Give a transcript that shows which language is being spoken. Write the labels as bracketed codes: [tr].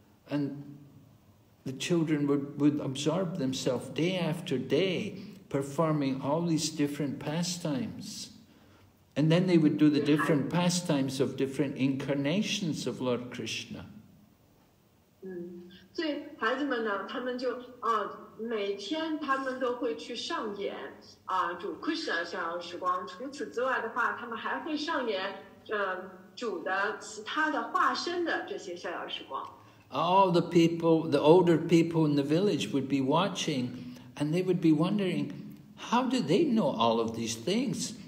[en] And the children would absorb themselves day after day, performing all these different pastimes. And then they would do the different pastimes of different incarnations of Lord Krishna. [zh] 所以孩子们呢，他们就每天他们都会去上演主Krishna逍遥时光。除此之外的话，他们还会上演主的其他的化身的这些逍遥时光。 [en] All the people, the older people in the village would be watching, and they would be wondering, how do they know all of these things?